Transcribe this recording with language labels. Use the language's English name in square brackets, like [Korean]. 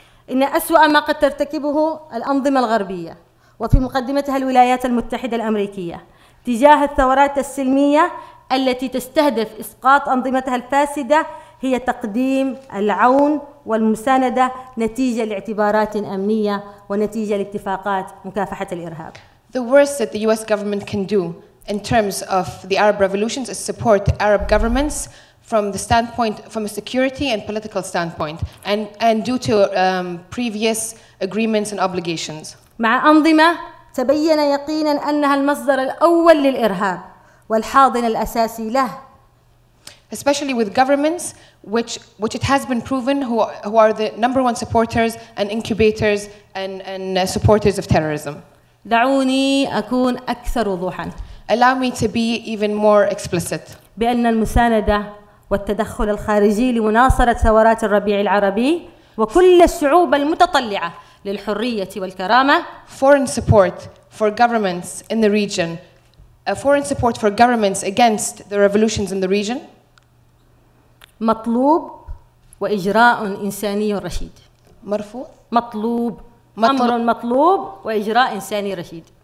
[Arabic] إن أسوأ ما قد ترتكبه الأنظمة الغربية وفي مقدمتها الولايات المتحدة الأمريكية تجاه الثورات السلمية التي تستهدف إسقاط أنظمتها الفاسدة هي تقديم العون والمساندة نتيجة لاعتبارات أمنية ونتيجة لاتفاقات مكافحة الإرهاب. [English] The worst that the US government can do in terms of the Arab revolutions is support Arab governments from the standpoint, from a security and political standpoint, and due to previous agreements and obligations. [Arabic] مع أنظمة تبين يقينا أنها المصدر الأول للإرهاب. والحاضن الأساسي له. [English] Especially with governments which it has been proven who are the number one supporters and incubators and supporters of terrorism. [Arabic] دعوني أكون أكثر وضوحا. [English] Allow me to be even more explicit. [Arabic] بأن المساندة والتدخل الخارجي لمناصرة ثورات الربيع العربي وكل الشعوب المتطلعة للحرية والكرامة. [English] Foreign support for governments in the region. A foreign support for governments against the revolutions in the region. [Arabic] مطلوب وإجراء إنساني رشيد. مرفوض. مطلوب. أمر مطلوب وإجراء إنساني رشيد.